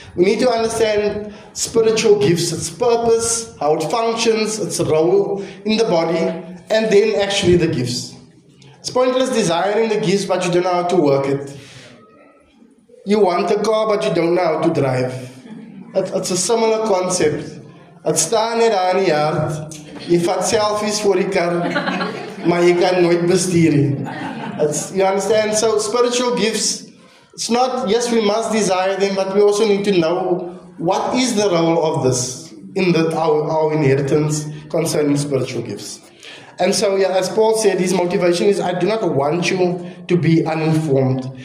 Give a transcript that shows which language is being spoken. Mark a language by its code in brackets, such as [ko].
[en] We need to understand spiritual gifts, its purpose, how it functions, its role in the body, and then actually the gifts. It's pointless desiring the gifts, but you don't know how to work it. You want a car, but you don't know how to drive. It's a similar concept. It's [af] staan net aan die hart. Jy vat selfies voor die kar, maar jy kan nooit bestuur nie. [en] You understand? So spiritual gifts, it's not, yes, we must desire them, but we also need to know what is the role of this in the, our inheritance concerning spiritual gifts. And so, yeah, as Paul said, his motivation is, I do not want you to be uninformed.